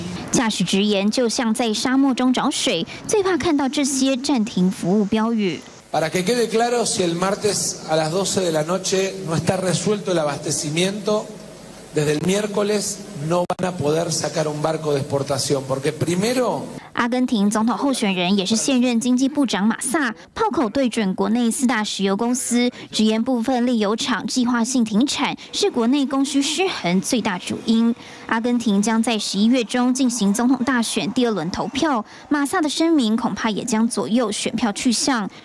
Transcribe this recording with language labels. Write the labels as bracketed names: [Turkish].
[Chinese] 驾驶直言，就像在沙漠中找水，最怕看到这些暂停服务标语。 [Spanish] Para que quede claro, si el martes a las 12 de la noche no está resuelto el abastecimiento, desde el miércoles no van a poder sacar un barco de exportación, porque primero. [Chinese] 阿根廷总统候选人也是现任经济部长马萨，炮口对准国内四大石油公司，直言部分炼油厂计划性停产是国内供需失衡最大主因。阿根廷将在11月中进行总统大选第二轮投票，马萨的声明恐怕也将左右选票去向。